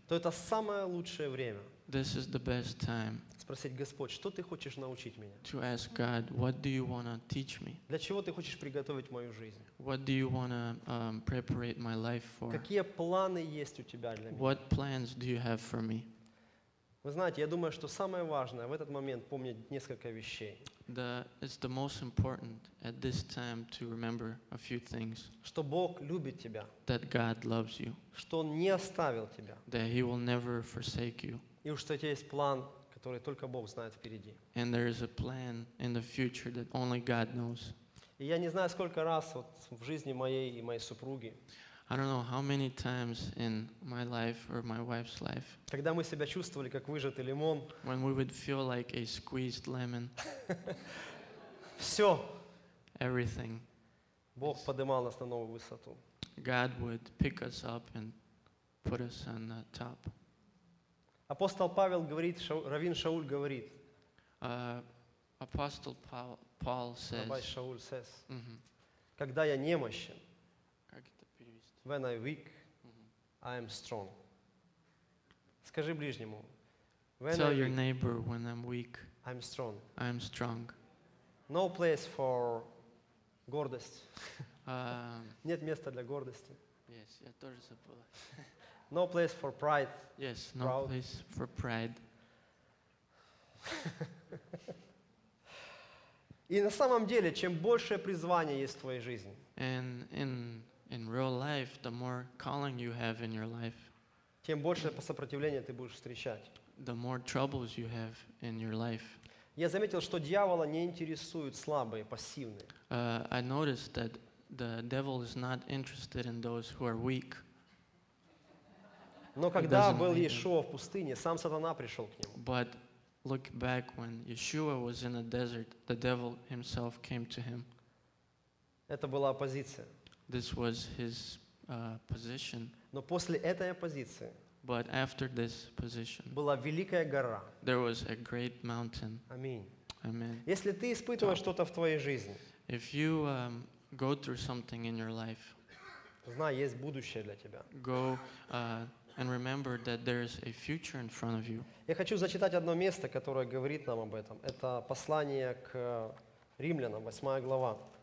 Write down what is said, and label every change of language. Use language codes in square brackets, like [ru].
[ru] То это самое лучшее время. [en] This is the best time. [ru] Спросить Господь, что ты хочешь научить меня? [en] To ask God, what do you want to teach me? [ru] Для чего ты хочешь приготовить мою жизнь? [en] What do you want to prepare my life for? [ru] Какие планы есть у тебя для меня? [en] What plans do you have for me? [ru] Вы знаете, я думаю, что самое важное в этот момент помнить несколько вещей. [en] It's the most important at this time to remember a few things. [ru] Что Бог любит тебя. [en] That God loves you. [ru] Что Он не оставил тебя. [en] That He will never forsake you. [ru] И уж что у тебя есть план, который только Бог знает впереди. [en] And there is a plan in the future that only God knows. [ru] И я не знаю, сколько раз вот в жизни моей и моей супруги. [en] I don't know how many times in my life or my wife's life. [ru] Когда мы себя чувствовали как выжатый лимон. [en] When we would feel like a squeezed lemon. [ru] Все. [en] Everything. [ru] Бог поднимал нас на новую высоту. [en] God would pick us up and put us on the top. [ru] Апостол Павел говорит, Равин Шауль говорит. [en] Apostle Paul says. [ru] Раввин Шауль [en] says. [ru] Когда я немощен. Как это перевести? [en] When I weak, I am strong. [ru] Скажи ближнему. [en] Tell your neighbor when I'm weak. I'm strong. I'm strong. No place for [ru] гордость. Нет места для гордости. [en] Yes, [ru] я тоже забыла. [en] No place for pride. Yes, no proud. Place for pride. [ru] И на самом деле, чем большее призвание есть в твоей жизни. [en] And in real life, the more calling you have in your life, [ru] тем большее сопротивление ты будешь встречать. [en] The more troubles you have in your life. [ru] Я заметил, что дьявола не интересуют слабые, пассивные. [en] I noticed that the devil is not interested in those who are weak. [ru] Но когда был Иешуа в пустыне, сам сатана пришел к нему. [en] But look back when Yeshua was in the desert, the devil himself came to him. [ru] Это была оппозиция. [en] This was his position. [ru] Но после этой оппозиции. [en] But after this position. [ru] Была великая гора. [en] There was a great mountain. [ru] Аминь. [en] Amen. [ru] Если ты испытываешь что-то в твоей жизни. [en] If you go through something in your life. [ru] Знай, есть будущее для тебя. [en] Go and remember that there is a future in front of you. [ru] Я хочу зачитать одно место, которое говорит нам об этом. Это послание к Римлянам, 8 глава.